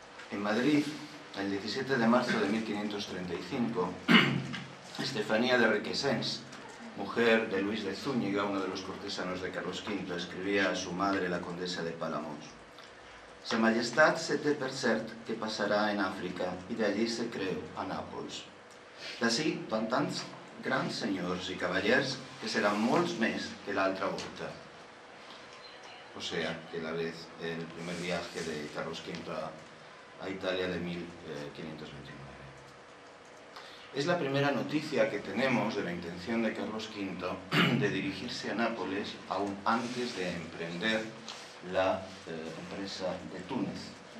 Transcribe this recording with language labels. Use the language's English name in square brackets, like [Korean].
[Spanish] En Madrid, el 17 de marzo de 1535, Estefanía de Requesens, mujer de Luis de Zúñiga, uno de los cortesanos de Carlos V, escribía a su madre, la condesa de Palamós: [Catalan] Sa majestat se té per cert que passarà en Àfrica i d'allí se creu a Nàpols. D'ací van tants grans senyors i cavallers que seran molts més que l'altra volta. [Spanish] O sea, que la vez, el primer viaje de Carlos V a Italia de 1529. Es la primera noticia que tenemos de la intención de Carlos V de dirigirse a Nápoles aún antes de emprender la empresa de Túnez.